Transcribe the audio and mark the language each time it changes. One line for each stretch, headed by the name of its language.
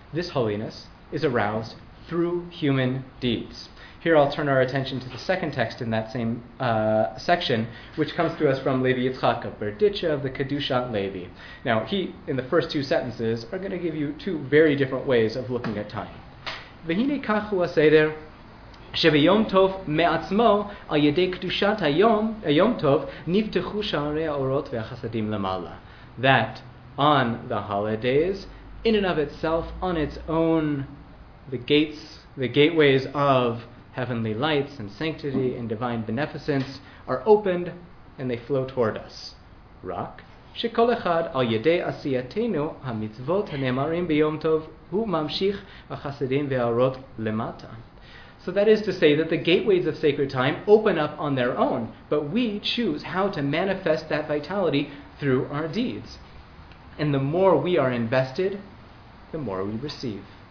English: This holiness is aroused through human deeds. Here I'll turn our attention to the second text in that same section, which comes to us from Levi Yitzchak of Berditcha of the Kedusha Levi. Now, he, in the first two sentences, are going to give you two very different ways of looking at time.
Hebrew: V'hine kach hu ha-seder. שביום טוב מעצמו על ידי קדושת היום, היום טוב, נפתחו שערי האורות והחסדים למעלה.
English: That on the holidays, in and of itself, on its own, the gateways of heavenly lights and sanctity and divine beneficence are opened and they flow toward us.
Hebrew: Rak, שכל אחד על ידי עשייתנו המצוות הנאמרים ביום טוב הוא ממשיך החסדים והאורות למטה.
English: So that is to say that the gateways of sacred time open up on their own, but we choose how to manifest that vitality through our deeds. And the more we are invested, the more we receive.